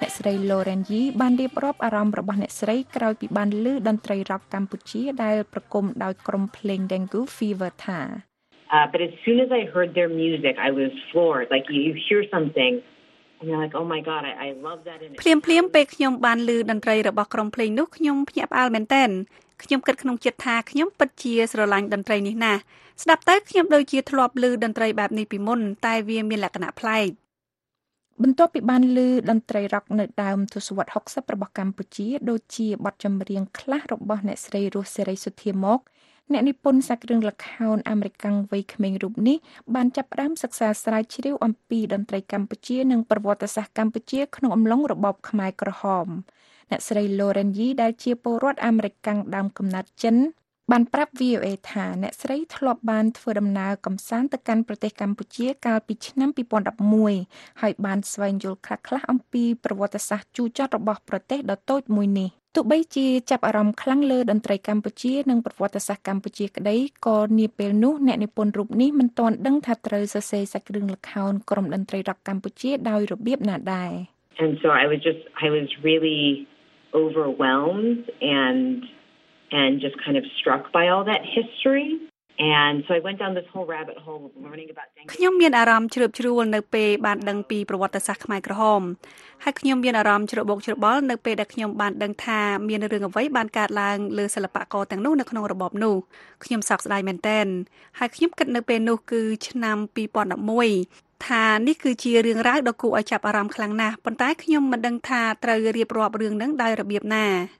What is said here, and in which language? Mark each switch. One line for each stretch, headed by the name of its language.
Khmer: ដែល Lauren Yi បានរៀបរាប់អារម្មណ៍របស់អ្នកស្រីក្រោយពីបានលឺតន្ត្រីរ៉ុកកម្ពុជាដែលប្រគំដោយក្រុមភ្លេង Dengue Fever ថា
English: But as soon as I heard their music I was floored like you hear something and you're like oh my god I love that in
Khmer: ភ្លាមភ្លាមពេលខ្ញុំបានលឺតន្ត្រីរបស់ក្រុមភ្លេងនោះខ្ញុំភ្ញាក់ផ្អើលមែនទែនខ្ញុំគិតក្នុងចិត្តថាខ្ញុំពិតជាស្រឡាញ់តន្ត្រីនេះណាស់ស្ដាប់ទៅខ្ញុំដូចជាធ្លាប់ឮតន្ត្រីបែបនេះពីមុនតែវាមានលក្ខណៈប្លែក បន្ទាប់ពីបានឮតន្ត្រីរ៉ុកនៅដើមទសវត្ស60របស់កម្ពុជាដូចជាបទចម្រៀងខ្លះរបស់អ្នកស្រីរស់សេរីសុធាមកអ្នកនិពន្ធសាច់រឿងល្ខោនអាមេរិកវ័យក្មេងរូបនេះបានចាប់ផ្ដើមសិក្សាស្រាវជ្រាវអំពីតន្ត្រីកម្ពុជានិងប្រវត្តិសាស្ត្រកម្ពុជាក្នុងអំឡុងរបបខ្មែរក្រហមអ្នកស្រីឡូរ៉ែនយីដែលជាពលរដ្ឋអាមេរិកដើមកំណើតចិនបានប្រាប់ VOA ថាអ្នកស្រីធ្លាប់បានធ្វើដំណើរកំសាន្តទៅកាន់ប្រទេសកម្ពុជាកាលពីឆ្នាំ 2011ហើយបានស្វែងយល់ខ្លះៗអំពីប្រវត្តិសាស្ត្រជូរចត់របស់ប្រទេសដ៏តូចមួយនេះទោះបីជាចាប់អារម្មណ៍ខ្លាំងលើតន្ត្រីកម្ពុជានិងប្រវត្តិសាស្ត្រកម្ពុជាក្តីក៏នាពេលនោះអ្នកនិពន្ធរូបនេះមិនទាន់ដឹងថាត្រូវសរសេរសាច់រឿងល្ខោនក្រុមតន្ត្រីរ៉ុកកម្ពុជាដោយរបៀបណាដែរ
English: And so I was really overwhelmed and just kind of struck by all that history and so I went down this whole rabbit hole learning about dengue
Khmer: ខ្ញុំមានអារម្មណ៍ជ្រាបជ្រួលនៅពេលបានដឹងពីប្រវត្តិសាស្ត្រខ្មែរក្រហមហើយខ្ញុំមានអារម្មណ៍ច្របូកច្របល់នៅពេលដែលខ្ញុំបានដឹងថាមានរឿងអ្វីបានកើតឡើងលើសិល្បករទាំងនោះនៅក្នុងរបបនោះខ្ញុំសោកស្ដាយមែនទែនហើយខ្ញុំគិតនៅពេលនោះគឺឆ្នាំ2011ថានេះគឺជារឿងរ៉ាវដ៏គួរឲ្យចាប់អារម្មណ៍ខ្លាំងណាស់ប៉ុន្តែខ្ញុំមិនដឹងថាត្រូវរៀបរាប់រឿងនឹងដោយរបៀបណារ